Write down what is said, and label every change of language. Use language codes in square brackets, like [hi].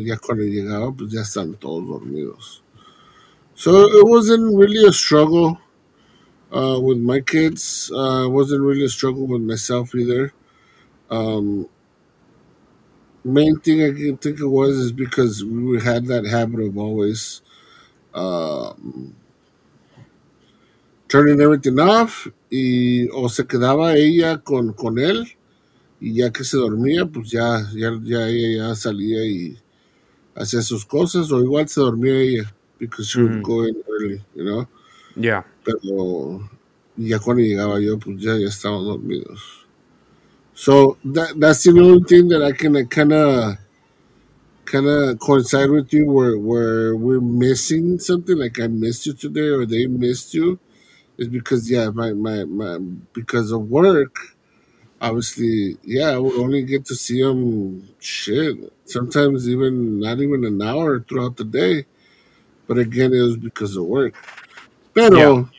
[es] Ya cuando llegaba, pues ya están todos dormidos. [en] So it wasn't really a struggle with my kids. It wasn't really a struggle with myself either. Main thing I can think it was is because we had that habit of always turning everything off, [es] y o se quedaba ella con él, y ya que se dormía, pues ya ella ya salía y hacía sus cosas, o igual se dormía ella, [en] because she would go in early, you know? Yeah. [es] Pero ya cuando llegaba yo, pues ya estaban dormidos. [en] So that's the only thing that I can kind of coincide with you, where we're missing something. Like I missed you today, or they missed you, is because my because of work. Obviously, yeah, I would only get to see them. Shit, sometimes even not even an hour throughout the day, but again, it was because of work. But yeah.